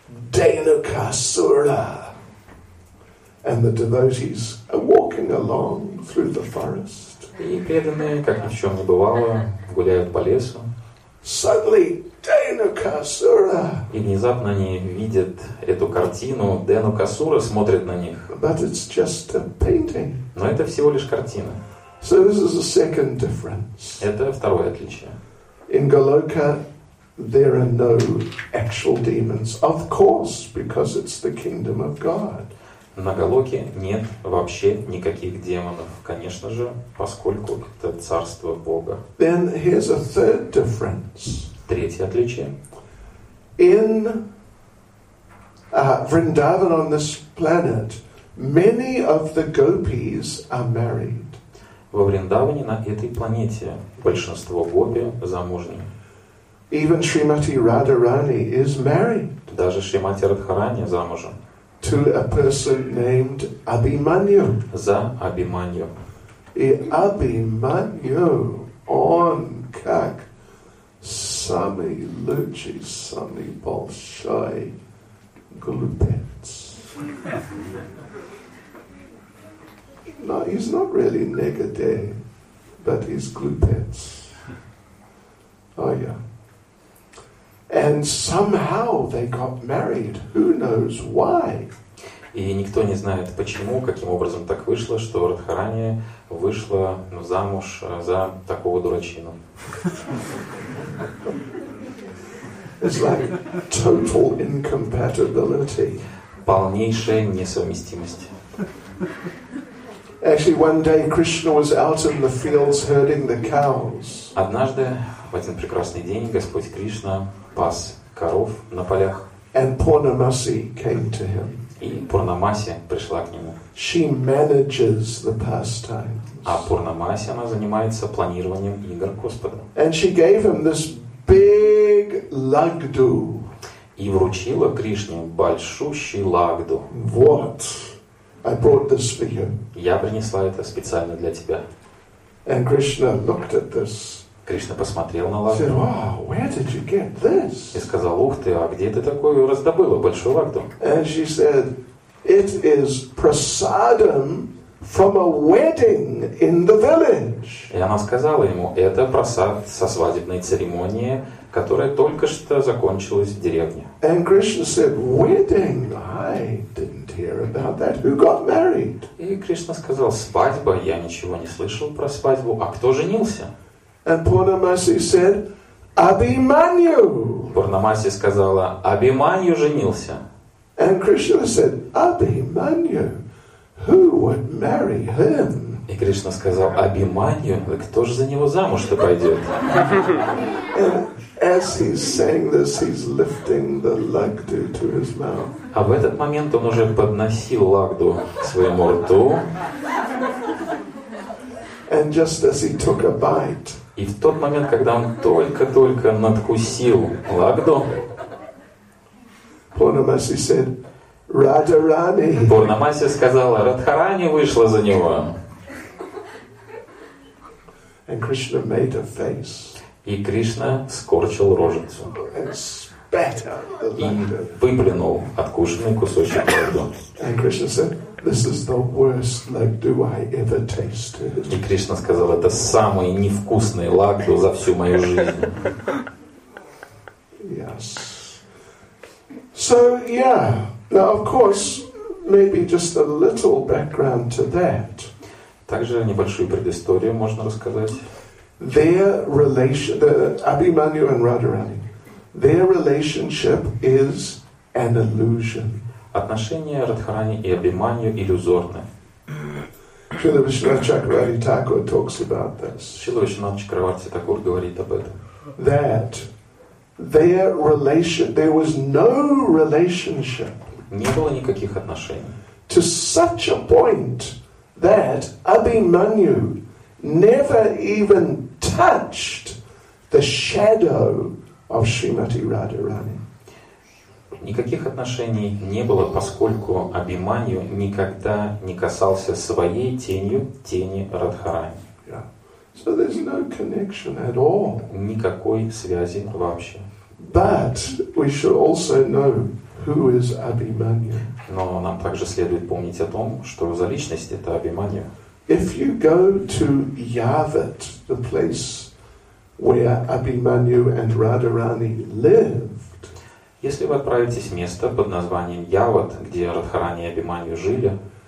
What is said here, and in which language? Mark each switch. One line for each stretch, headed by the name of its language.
Russian: Дейнукасура.
English: And the devotees are walking along through the forest.
Russian: И преданные, как ни в чем не бывало, гуляют по лесу.
English: Suddenly, Дейнукасура.
Russian: И внезапно они видят эту картину. Дейнукасура смотрит на них.
English: But it's just a painting.
Russian: Но это всего лишь картина.
English: So this is the second difference.
Russian: Это второе отличие.
English: In Goloka, there are no actual demons. Of course, because it's the kingdom of God.
Russian: На Голоке нет вообще никаких демонов, конечно же, поскольку это царство Бога.
English: Then here's a third difference.
Russian: Третье отличие.
English: In Vrindavan on this planet, many of the gopis are married.
Russian: Во Вриндаване на этой планете большинство гопи замужни.
English: Even Shrimati Radharani is married.
Russian: Даже Шримати Радхарани замужем.
English: To a person named Abhimanyu.
Russian: За Абхиманью. И Абхиманью, он как самый лучший, самый большой глупец.
English: No, he's not really negade, but he's glupets. Oh, yeah. And somehow they got married. Who knows why?
Russian: И никто не знает, почему, каким образом так вышло, что Радхарани вышла замуж за такого дурачину.
English: It's like total incompatibility.
Russian: Полнейшая несовместимость.
English: Actually, one day Krishna was out in the fields herding the cows.
Russian: Однажды в один прекрасный день Господь Кришна пас коров на полях.
English: And Purnamasi came to him.
Russian: И Пурнамаси пришла к нему.
English: She manages the pastimes.
Russian: А Пурнамаси, она занимается планированием игр Господа.
English: And she gave him this big лагду.
Russian: И вручила Кришне большущий лагду.
English: What? I brought this for you.
Russian: Я принесла это специально для тебя.
English: And Krishna looked at this.
Russian: Кришна посмотрел на лагду.
English: Said, oh, where did you get this?
Russian: И сказал, ух ты, а где ты такую раздобыла, большую лагду?
English: And she said, it is prasadam from a wedding in the village.
Russian: И она сказала ему, это прасад со свадебной церемонии, которая только что закончилась в деревне.
English: And Krishna said, wedding? I didn't hear about that. Who got married?
Russian: И Кришна сказал, свадьба? Я ничего не слышал про свадьбу. А кто женился?
English: And Purnamasi said, Abhimanyu.
Russian: Purnamasi сказала, Абхиманью женился.
English: And Krishna said, Abhimanyu, who would marry him?
Russian: И Кришна сказал, Абхиманью, кто же за него замуж-то пойдет?
English: And as he's saying this, he's lifting the лагду to his mouth.
Russian: А в этот момент он уже подносил лагду к своему рту.
English: And just as he took a bite,
Russian: и в тот момент, когда он только-только надкусил лагду,
English: Пурнамаси said, Радхарани.
Russian: Пурнамаси сказала, Радхарани вышла за него.
English: And Krishna made a face.
Russian: И Кришна скорчил рожицу.
English: And spat out the
Russian: и выплюнул откушенный кусочек лагду.
English: And Krishna said, This is the worst lagdu I ever tasted.
Russian: И Кришна сказал, это самый невкусный лагду за всю мою жизнь.
English: Yes. So yeah. Now of course, maybe just a little background to that.
Russian: Также небольшую предысторию можно рассказать.
English: Their relation, the Abhimanyu and Radharani, their relationship is an illusion.
Russian: Отношения Радхарани и Абхиманью иллюзорны.
English: Шрила Вишнава Чакраварти Такур talks about this.
Russian: Шрила Вишнава Чакраварти Такур говорит об этом.
English: That their relation, there was no relationship.
Russian: Не было никаких отношений.
English: To such a point that Abhimanyu never even touched the shadow of Srimati Radharani.
Russian: Никаких отношений не было, поскольку Абхиманью никогда не касался своей тенью тени Радхарани.
English: So there's no connection at all.
Russian: Никакой связи вообще.
English: But we should also know who is Abhimanyu.
Russian: Но нам также следует помнить о том, что за личность это Абхиманью.
English: If you go to Yavat, the place where Abhimanyu and Radharani live,
Russian: если вы отправитесь в место под названием Явад, где Радхарани и Абхиманью жили,